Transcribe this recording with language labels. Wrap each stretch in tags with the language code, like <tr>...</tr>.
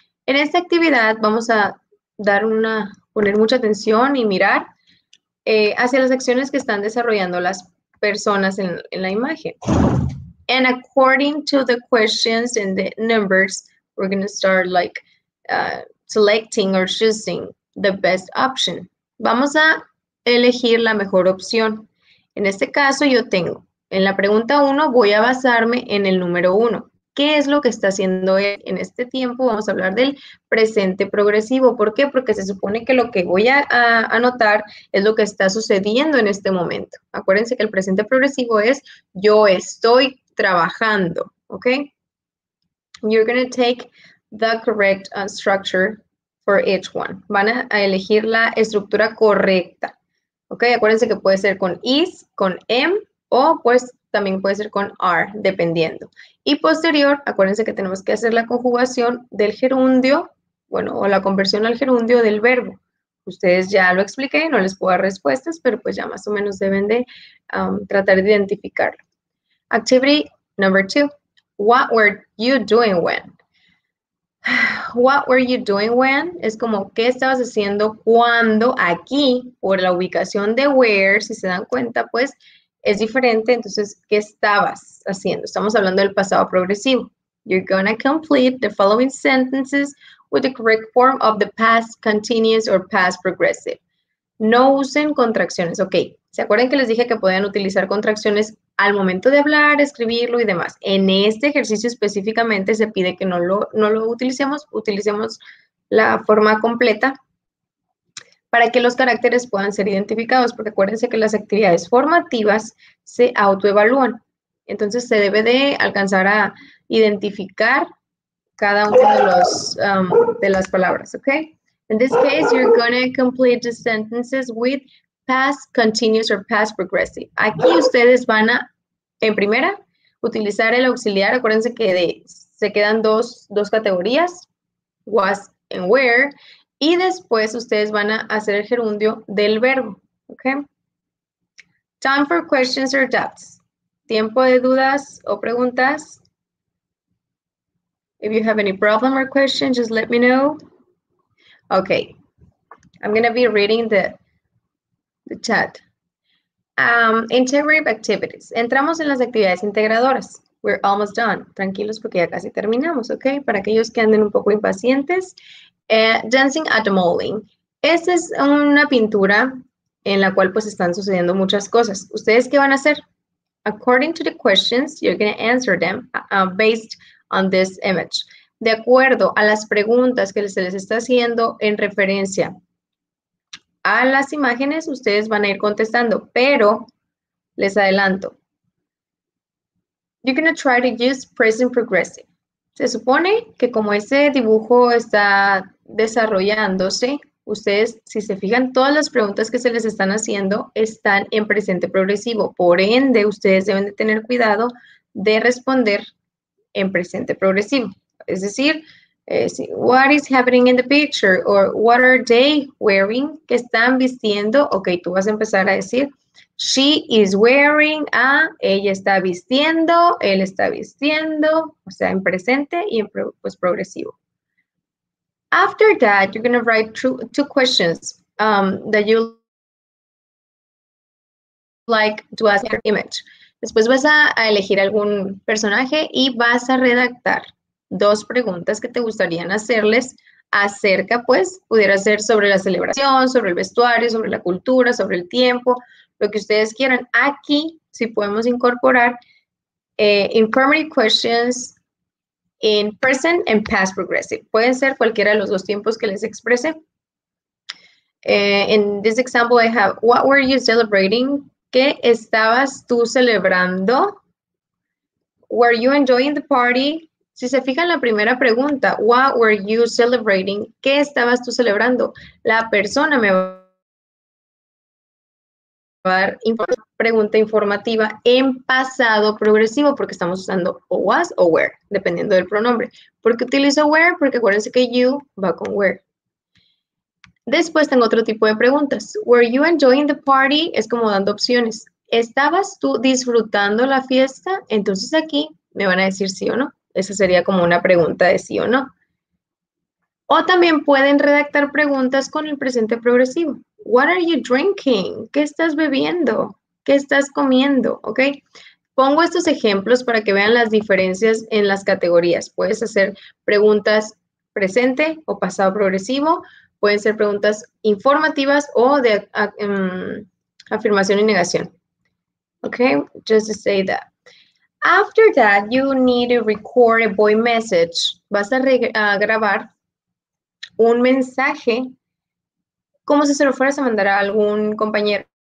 <es>En esta actividad, vamos a poner mucha atención y mirar hacia las acciones que están desarrollando las personas en la imagen.</es> <en>And according to the questions and the numbers, we're going to start like selecting or choosing the best option.</en> <es>Vamos a elegir la mejor opción. En este caso yo tengo, en la pregunta 1 voy a basarme en el número 1. ¿Qué es lo que está haciendo él en este tiempo? Vamos a hablar del presente progresivo. ¿Por qué? Porque se supone que lo que voy a anotar es lo que está sucediendo en este momento. Acuérdense que el presente progresivo es yo estoy trabajando, ¿ok?</es> <en>You're going to take the correct structure for each one.</en> <es>Van a elegir la estructura correcta, ¿ok? Acuérdense que puede ser con is, con am, o pues también puede ser con are, dependiendo. Y posterior, acuérdense que tenemos que hacer la conjugación del gerundio, bueno, o la conversión al gerundio del verbo. Ustedes ya lo expliqué, no les puedo dar respuestas, pero pues ya más o menos deben de tratar de identificarlo.</es> <en>Activity number 2. What were you doing when? what were you doing when?</en> <es>Es como, ¿qué estabas haciendo cuando? Aquí, por la ubicación de where, si se dan cuenta, pues, es diferente. Entonces, ¿qué estabas haciendo? Estamos hablando del pasado progresivo.</es> <en>You're going to complete the following sentences with the correct form of the past continuous or past progressive.</en> <es>No usen contracciones. Ok, ¿se acuerdan que les dije que podían utilizar contracciones al momento de hablar, escribirlo y demás? En este ejercicio específicamente se pide que no lo utilicemos. Utilicemos la forma completa para que los caracteres puedan ser identificados. Porque acuérdense que las actividades formativas se autoevalúan. Entonces, se debe de alcanzar a identificar cada uno de los de las palabras, ¿ok?</es> <en>In this case, you're going to complete the sentences with past continuous or past progressive.</en> <es>Aquí ustedes van a, en primera, utilizar el auxiliar. Acuérdense que se quedan dos categorías,</es> <en>was and were,</en> <es>y después ustedes van a hacer el gerundio del verbo, ¿ok?</es> <en>Time for questions or doubts.</en> <es>Tiempo de dudas o preguntas.</es> <en>If you have any problem or question, just let me know. Okay. I'm going to be reading the chat. Integrative activities.</en> <es>Entramos en las actividades integradoras.</es> <en>We're almost done.</en> <es>Tranquilos porque ya casi terminamos, okay? Para aquellos que anden un poco impacientes.</es> <en>Dancing at the Moling.</en> <es>Esta es una pintura en la cual pues están sucediendo muchas cosas. ¿Ustedes qué van a hacer?</es> <en>According to the questions, you're going to answer them based on this image.</en> <es>De acuerdo a las preguntas que se les está haciendo en referencia a las imágenes, ustedes van a ir contestando, pero les adelanto.</es> <en>You're going to try to use present progressive.</en> <es>Se supone que como ese dibujo está desarrollándose, ustedes, si se fijan, todas las preguntas que se les están haciendo están en presente progresivo. Por ende, ustedes deben de tener cuidado de responder en presente progresivo. Es decir,</es> <en>what is happening in the picture? Or what are they wearing?</en> <es>¿Qué están vistiendo? Ok, tú vas a empezar a decir,</es> <en>she is wearing a,</en> <es>ella está vistiendo, él está vistiendo. O sea, en presente y en pues, progresivo.</es> <en>After that, you're going to write two questions that you like to ask your image.</en> <es>Después vas a elegir algún personaje y vas a redactar dos preguntas que te gustarían hacerles acerca, pues, pudiera ser sobre la celebración, sobre el vestuario, sobre la cultura, sobre el tiempo, lo que ustedes quieran. Aquí, si podemos incorporar</es> <en>informative questions, in present and past progressive.</en> <es>Pueden ser cualquiera de los dos tiempos que les exprese.</es> <en>In this example, I have, what were you celebrating?</en> <es>¿Qué estabas tú celebrando?</es> <en>Were you enjoying the party?</en> <es>Si se fijan la primera pregunta,</es> <en>what were you celebrating?</en> <es>¿Qué estabas tú celebrando? La persona me va a dar pregunta informativa en pasado progresivo porque estamos usando o was o were, dependiendo del pronombre. ¿Por qué utilizo were? Porque acuérdense que you va con were. Después tengo otro tipo de preguntas.</es> <en>Were you enjoying the party?</en> <es>Es como dando opciones. ¿Estabas tú disfrutando la fiesta? Entonces aquí me van a decir sí o no. Esa sería como una pregunta de sí o no. O también pueden redactar preguntas con el presente progresivo.</es> <en>What are you drinking?</en> <es>¿Qué estás bebiendo? ¿Qué estás comiendo? ¿Ok? Pongo estos ejemplos para que vean las diferencias en las categorías. Puedes hacer preguntas presente o pasado progresivo. Pueden ser preguntas informativas o de afirmación y negación.</es> <en>¿Ok? Just to say that. After that, you need to record a voice message.</en> <es>Vas a grabar un mensaje como si se lo fueras a mandar a algún compañero.</es>